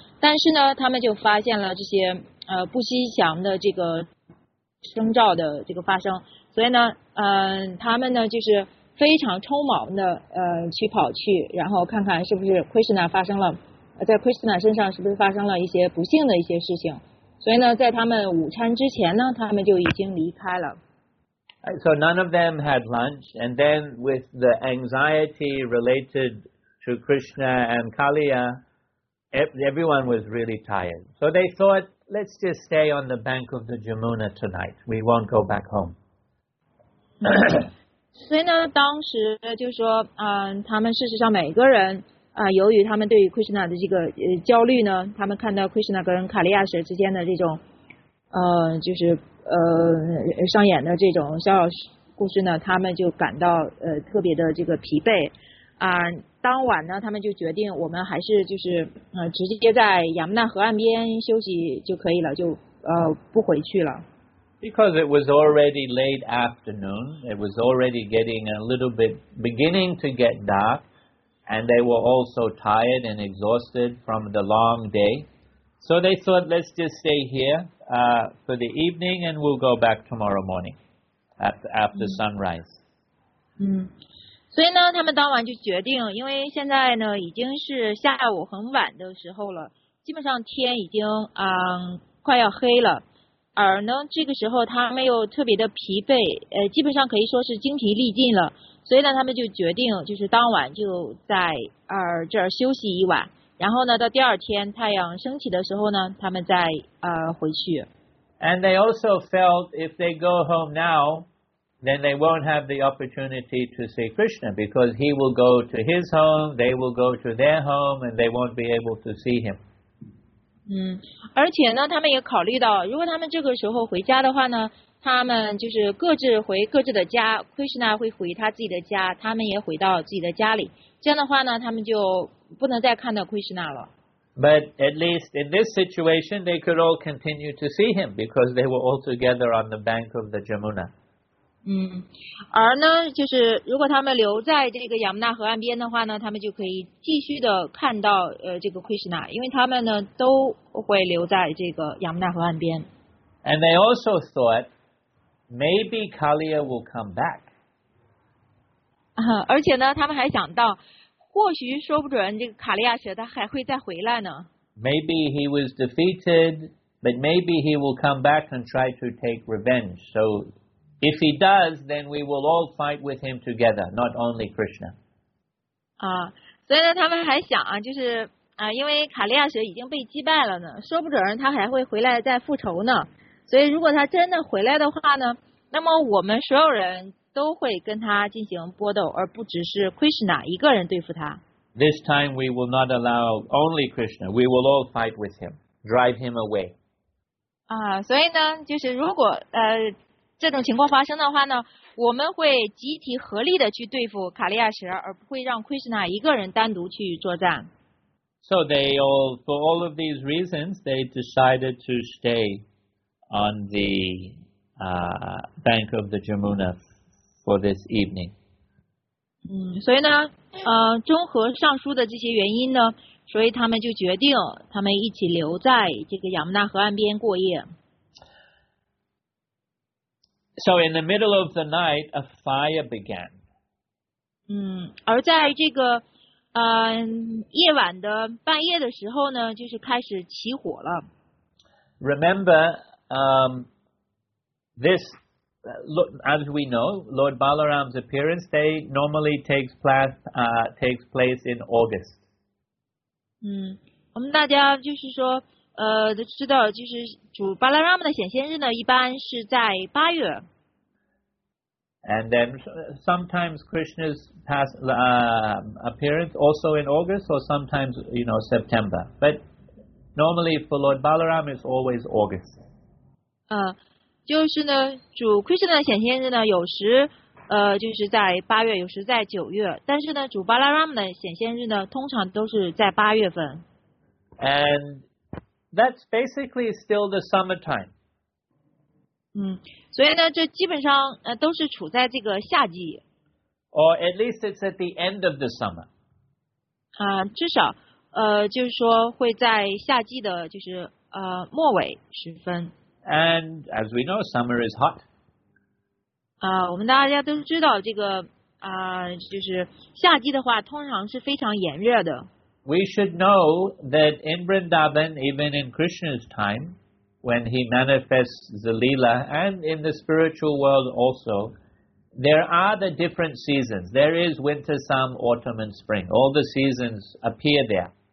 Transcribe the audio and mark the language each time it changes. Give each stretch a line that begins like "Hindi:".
Chinese: 但是呢，他们就发现了这些不吉祥的这个征兆的这个发生，所以呢，他们呢就是非常匆忙的去跑去，然后看看是不是 Krishna 发生了，在 Krishna 身上是不是发生了一些不幸的一些事情。所以呢，在他们午餐之前呢，他们就已经离开了。
English: So none of them had lunch, and then with the anxiety related to Krishna and Kaliya, everyone was really tired. So they thought, let's just stay on the bank of the Jamuna tonight. We won't go back home.
Chinese: 所以呢，当时就说，他们事实上每个人，由于他们对于 Krishna 的这个焦虑呢，他们看到 Krishna 跟 Kaliya 之间的这种，就是。上演的这种小小故事呢，他们就感到特别的这个疲惫啊。当晚呢，他们就决定我们还是就是直接在亚木纳河岸边休息就可以了，就不回去了。
English: Because it was already late afternoon, it was already getting a little bit beginning to get dark, and they were also tired and exhausted from the long day. So they thought, let's just stay here. For the evening, and we'll go back tomorrow morning after sunrise.
Chinese: 所以呢，他们当晚就决定，因为现在呢已经是下午很晚的时候了，基本上天已经快要黑了。而呢，这个时候他们又特别的疲惫，基本上可以说是精疲力尽了。所以呢，他们就决定就是当晚就在这儿休息一晚。然后呢，到第二天太阳升起的时候呢，他们再回去。
English: And they also felt if they go home now, then they won't have the opportunity to see Krishna because he will go to his home, they will go to their home, and they won't be able to see him.
Chinese: 而且呢，他们也考虑到，如果他们这个时候回家的话呢，他们就是各自回各自的家 ，Krishna 会回他自己的家，他们也回到自己的家里。这样的话呢，他们就不能再看到 Krishna 了。
English: But at least in this situation, they could all continue to see him because they were all together on the bank of the Jamuna.
Chinese: 而呢，就是如果他们留在这个亚木纳河岸边的话呢，他们就可以继续的看到这个 Krishna， 因为他们呢都会留在这个亚木纳河岸边。
English: And they also thought maybe Kaliya will come back.
Chinese: 而且呢，他们还想到。或许说不准这个卡利亚舍他还会再回来呢。
English: Maybe he was defeated, but maybe he will come back and try to take revenge. So if he does, then we will all fight with him together, not only Krishna.
Chinese: 所以呢，他们还想啊，就是因为卡利亚舍已经被击败了呢，说不准他还会回来再复仇呢。所以如果他真的回来的话呢，那么我们所有人。都会跟他进行搏斗，而不只是 Krishna 一个人对付他。
English: This time we will not allow only Krishna. We will all fight with him, drive him away.
Chinese: 所以呢，就是如果这种情况发生的话呢，我们会集体合力的去对付卡利亚什，而不会让 Krishna 一个人单独去作战。
English: So they all, for all of these reasons, they decided to stay on the bank of the Jamuna. For this evening.
Chinese: 所以呢，综合上述的这些原因呢，所以他们就决定，他们一起留在这个亚木纳河岸边过夜。
English: So in the middle of the night, a fire began.
Chinese: 而在这个夜晚的半夜的时候呢，就是开始起火了。
English: Remember, this. As we know, Lord Balaram's appearance day normally takes place in August.
Chinese: 我们大家就是说，知道就是主巴拉拉姆的显现日呢，一般是在八月。
English: And then sometimes Krishna's appearance also in August, or sometimes you know September. But normally for Lord Balaram, it's always August.
Chinese: 就是呢，主 Krishna 的显现日呢，有时就是在八月，有时在九月。但是呢，主 Balaram 的显现日呢，通常都是在八月份。
English: And That's basically still the summertime.
Chinese: 所以呢，这基本上都是处在这个夏季。
English: Or at least it's at the end of the summer.
Chinese: 至少就是说会在夏季的，就是末尾时分。
English: And as we know, summer is hot.
Chinese: 我们大家都知道这个就是夏季的话，通常是非常炎热的。
English: We should know that in Vrindavan, even in Krishna's time, when he manifests the Leela, and in the spiritual world also, there are the different seasons. There is winter, summer, autumn, and spring. All the seasons appear there.